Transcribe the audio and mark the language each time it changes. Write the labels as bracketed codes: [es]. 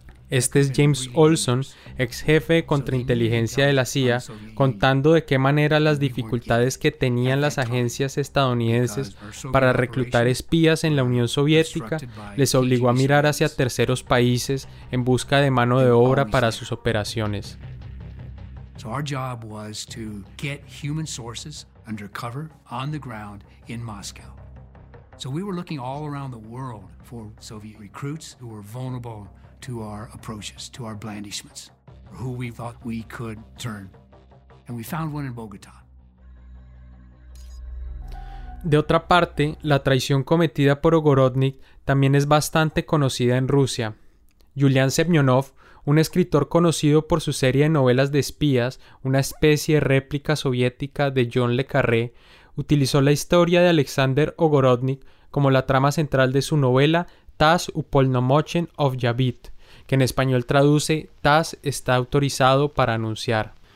[es] Este es James Olson, ex jefe de contrainteligencia de la CIA, contando de qué manera las dificultades que tenían las agencias estadounidenses para reclutar espías en la Unión Soviética les obligó a mirar hacia terceros países en busca de mano de obra para sus operaciones. [en] Our job was to get human sources undercover on the ground in Moscow. So we were looking all around the world for Soviet recruits who were vulnerable to our approaches, to our blandishments, who we thought we could turn. And we found one in Bogotá. [es] De otra parte, la traición cometida por Ogorodnik también es bastante conocida en Rusia. Yulian Semyonov, un escritor conocido por su serie de novelas de espías, una especie de réplica soviética de John le Carré, utilizó la historia de Alexander Ogorodnik como la trama central de su novela Taz Upolnomochen Objavit, que en español traduce Taz está autorizado para anunciar.